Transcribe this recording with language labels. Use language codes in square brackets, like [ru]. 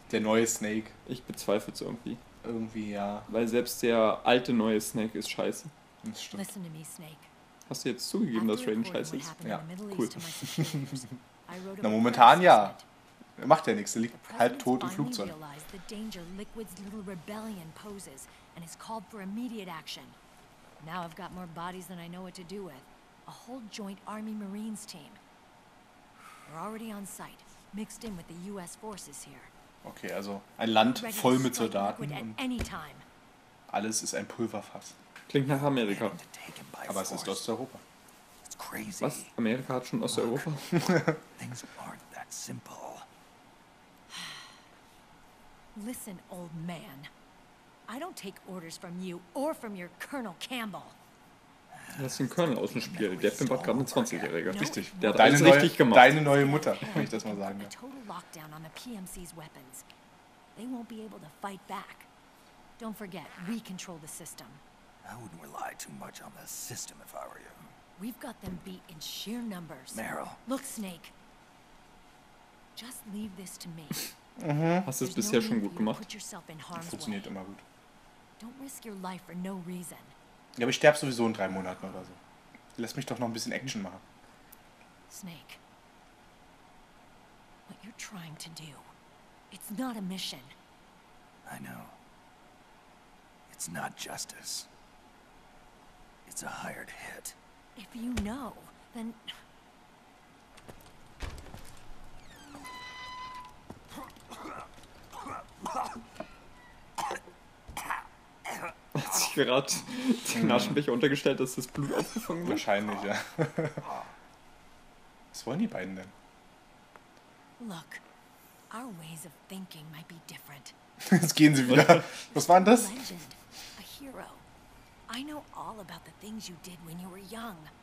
[de] Der neue Snake. Ich bezweifle es irgendwie. Irgendwie, ja. Weil selbst der alte neue Snake ist scheiße. Das stimmt. [en] Listen to me, Snake. [de] Hast du jetzt zugegeben, dass Raiden scheiße ist? Ja, cool. Na, momentan ja. Er macht ja nichts, er liegt halb tot im Flugzeug. [en] Now I've got more bodies than I know what to do with. A whole joint Army Marines team. We're already on site, mixed in with the US forces here. [de] Okay, also ein Land voll mit Soldaten und alles ist ein Pulverfass. Klingt nach Amerika. Aber es ist Osteuropa. [en] It's crazy. [de] Was? Amerika hat schon Osteuropa? [en] Things aren't that simple. Listen, old man. I don't take orders from you or from your Colonel Campbell. [de] Das ist ein Colonel aus dem Spiel. Der Pimpert gerade eine 20-Jährige. Richtig. Der hat alles richtig gemacht. Deine neue Mutter, wenn ich das mal sagen will. [en] Total lockdown on the PMC's weapons. They won't be able to fight back. Don't forget, we control the system. I wouldn't rely too much on the system if I were you. We've got them beat in sheer numbers. Meryl. Look, Snake. Just leave this to me. [de] Hast du es bisher schon gut gemacht? Funktioniert immer gut. [en] Don't risk your life for no reason. [de] Ja, aber ich sterbe sowieso in 3 Monaten oder so. Lass mich doch noch ein bisschen Action machen. [en] Snake. What you're trying to do, it's not a mission. I know. It's not justice. It's a hired hit. If you know, then... [de] Hat sich gerade den Naschenbecher untergestellt, dass das Blut aufgefangen wird? Wahrscheinlich, ja. Was wollen die beiden denn? [en] Look, our ways of thinking might be different. [de] Jetzt gehen sie wieder. Was war denn das? [en] A hero. I know all about the things you did when you were young.